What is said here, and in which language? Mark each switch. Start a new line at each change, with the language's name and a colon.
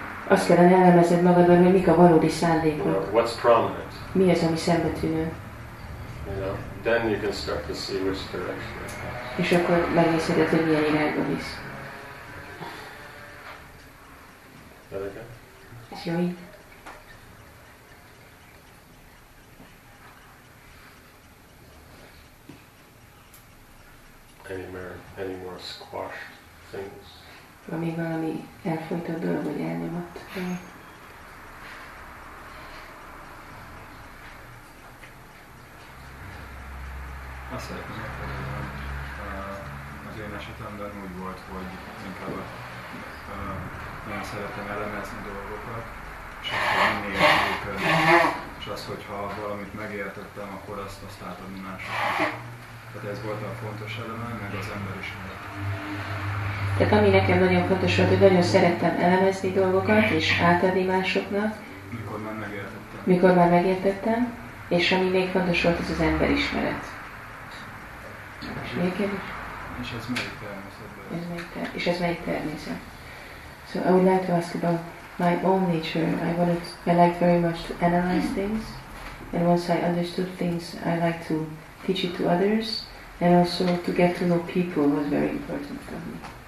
Hungarian: azt kellene elemezed magadban, hogy mik a valódi szándékok.
English: You know, what's prominent?
Hungarian: Mi az, ami szembetűnő?
English: You know, then you can start to see which direction it is.
Hungarian: És akkor megnézheted, hogy milyen irányba visz.
English: That again?
Hungarian: Ez jó így.
English: Any more squashed things?
Hungarian: Valami valami elfolytott dolog, vagy elnyomott dolog. Azt szeretnék, hogy az én esetemben úgy volt, hogy inkább nagyon szeretem elemezni dolgokat, és akkor minél jobb, és az, hogyha valamit megértettem, akkor azt átadni másoknak. Tehát ez volt a fontos eleme, meg az emberiség. Tehát ami nekem nagyon fontos volt, hogy nagyon szerettem elemezni dolgokat és átadni másoknak. Mikor már megértettem. Mikor már megértettem. És ami még fontos volt, az emberismeret. És még kérdés? És ez melyik természetben? Ez melyik és ez melyik természet?
English: So I would like to ask about my own nature. I like very much to analyze things. And once I understood things, I like to teach it to others, and also to get to know people was very important for me.